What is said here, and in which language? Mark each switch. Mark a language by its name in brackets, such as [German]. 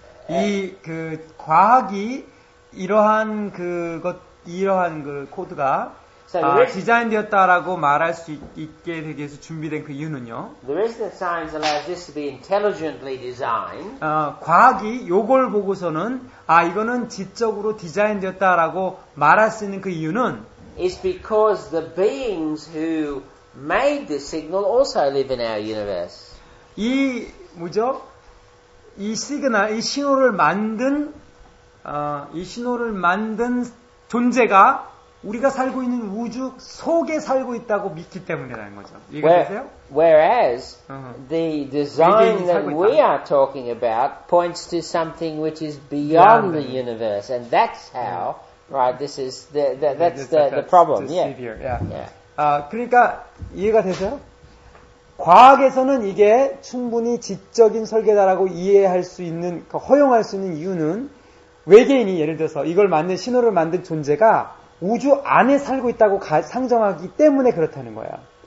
[Korean] 이 그 과학이 이러한 그것 이러한 그 코드가 디자인되었다라고 말할 수 있게 되기 위해서 준비된 그 이유는요. [English] The reason that science allows this to be intelligently designed. [Korean] 과학이 요걸 보고서는 아 이거는 지적으로 디자인되었다라고 말할 수 있는 그 이유는 [English] is because the beings who made this signal also live in our universe. [Korean] 이 뭐죠? 이 시그널, 이 신호를 만든 이 신호를 만든 존재가 우리가 살고 있는 우주 속에 살고 있다고 믿기 때문이라는 거죠. 이해되세요? [English] Whereas the design that we are talking about points to something which is beyond the universe, and that's how. Right, this is the problem. Yeah. [Korean] 아, 그러니까 이해가 되세요? 과학에서는 이게 충분히 지적인 설계다라고 이해할 수 있는 허용할 수 있는 이유는 외계인이 예를 들어서 이걸 만든 신호를 만든 존재가 우주 안에 살고 있다고 상정하기 때문에 그렇다는 거야.